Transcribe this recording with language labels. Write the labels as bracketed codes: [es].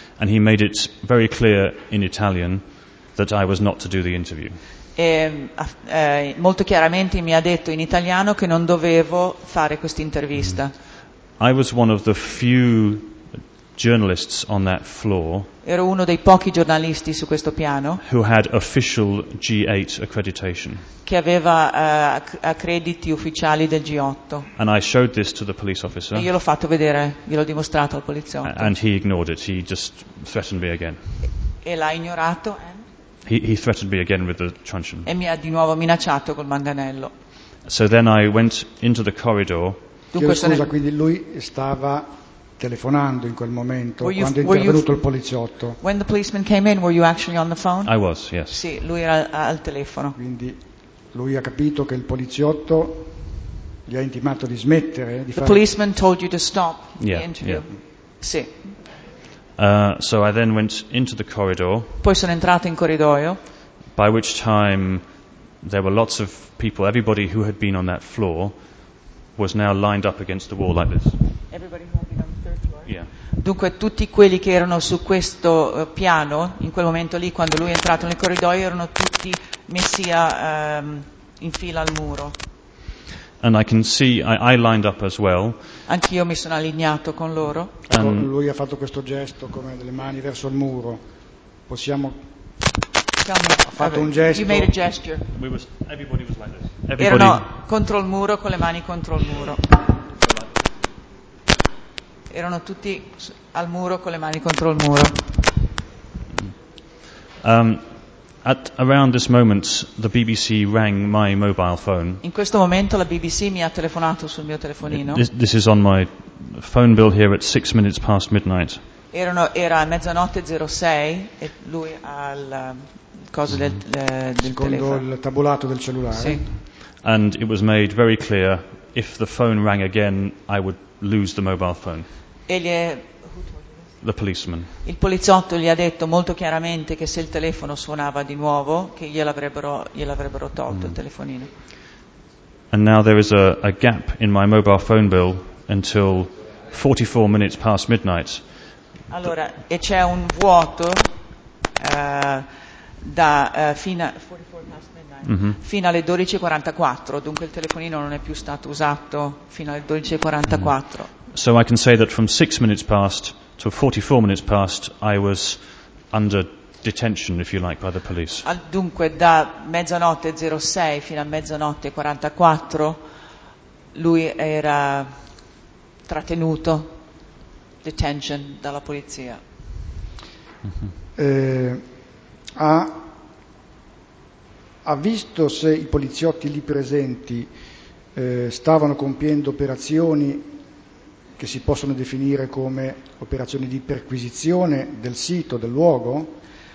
[en] And he made it very clear in Italian that I was not to do the interview. [it] Molto chiaramente mi ha detto in italiano che non dovevo fare questa intervista. [en] I was one of the few journalists on that floor. [it] Ero uno dei pochi giornalisti su questo piano. [en] Who had official G8 accreditation. [it] Che aveva accrediti ufficiali del G8. [en] And I showed this to the police officer. [it] E io l'ho fatto vedere, gliel'ho dimostrato al poliziotto. [en] And he ignored it. He just threatened me again. [it] E l'ha ignorato. [en] He threatened me again with the truncheon. [it] E mi ha di nuovo minacciato col manganello. [en] So then I went into the corridor. [it] Dunque, scusa, quindi lui stava telefonando in quel momento quando è intervenuto il poliziotto. [en] When the policeman came in, were you actually on the phone? I was, yes. [it] Sì, lui era al telefono. Quindi lui ha capito che il poliziotto gli ha intimato di smettere di fare. [en] The policeman told you to stop the interview. Yeah. [it] Sì. [en] So I then went into the corridor. [it] Poi sono entrato in corridoio. [en] By which time there were lots of people, everybody who had been on that floor was now lined up against the wall like this. Everybody who had been on the third floor. Yeah. [it] Dunque tutti quelli che erano su questo piano in quel momento lì quando lui è entrato nel corridoio erano tutti messi in fila al muro. [en] And I can see I lined up as well. [it] Anch'io mi sono allineato con loro. [en] And [it] lui ha fatto questo gesto come delle mani verso il muro. Possiamo. [en] Tell me, [it] ha fatto un gesto. [en] You made a gesture. Everybody was like this. [it] Erano contro il muro con le mani contro il muro. Erano tutti al muro con le mani contro il muro. [en] At around this moment, the BBC rang my mobile phone. [it] In questo momento la BBC mi ha telefonato sul mio telefonino. [en] This is on my phone bill here at 6 minutes past midnight. [it] Era mezzanotte 06 e lui al cosa del secondo il tabulato del cellulare. Sì. [en] And it was made very clear if the phone rang again, I would lose the mobile phone. The policeman. [it] Il poliziotto gli ha detto molto chiaramente che se il telefono suonava di nuovo che gliel'avrebbero tolto il telefonino. [en] And now there is a gap in my mobile phone bill until 44 minutes past midnight. [it] Allora, e c'è un vuoto fino alle 12:44, dunque il telefonino non è più stato usato fino alle 12:44. [en] So I can say that from 6 minutes past to 44 minutes past, I was under detention, if you like, by the police. [it] Dunque, da mezzanotte 06 fino a mezzanotte 44, lui era trattenuto, detention, dalla polizia. Ha visto se i poliziotti lì presenti stavano compiendo operazioni che si possono definire come operazioni di perquisizione del sito, del luogo?